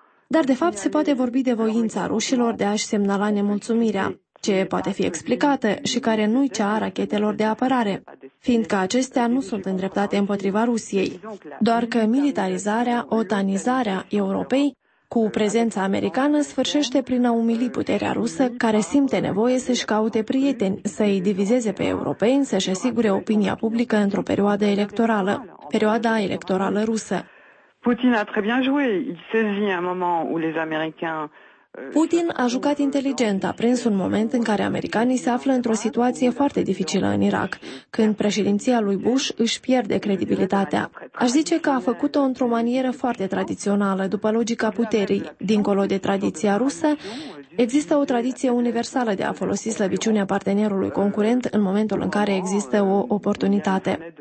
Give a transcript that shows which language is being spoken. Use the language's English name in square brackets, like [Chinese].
[Romanian] Dar, de fapt, se poate vorbi de voința rușilor de a-și semnala nemulțumirea, ce poate fi explicată și care nu-i cea a rachetelor de apărare, fiindcă acestea nu sunt îndreptate împotriva Rusiei, doar că militarizarea, otanizarea Europei cu prezența americană sfârșește prin a umili puterea rusă, care simte nevoie să-și caute prieteni, să-i divizeze pe europeni, să-și asigure opinia publică într-o perioadă electorală, perioada electorală rusă. [French] Putin a très bien joué. Il saisit un moment où les Américains... [Romanian] Putin a jucat inteligent, a prins un moment în care americanii se află într-o situație foarte dificilă în Irak, când președinția lui Bush își pierde credibilitatea. Aș zice că a făcut-o într-o manieră foarte tradițională, după logica puterii. Dincolo de tradiția rusă, există o tradiție universală de a folosi slăbiciunea partenerului concurent în momentul în care există o oportunitate.